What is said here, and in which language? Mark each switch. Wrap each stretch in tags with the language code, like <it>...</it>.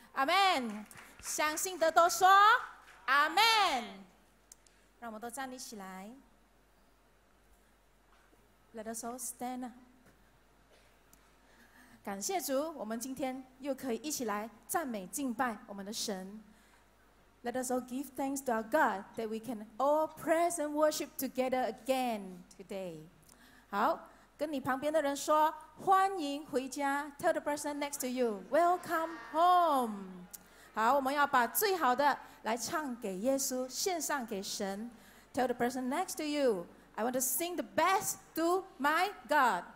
<zh>阿们。相信的都说阿们。让我们都站立起来。</zh> <en>Let us all stand up。</en> <zh>感谢主，我们今天又可以一起来赞美敬拜我们的神。</zh> <en>Let us all give thanks to our God that we can all praise and worship together again today.</en> <zh>好，跟你旁边的人说欢迎回家。</zh> <en>Tell the person next to you, welcome home.</en> <zh>好，我们要把最好的来唱给耶稣，献上给神。</zh> <en>Tell the person next to you, I want to sing the best to my God.</en>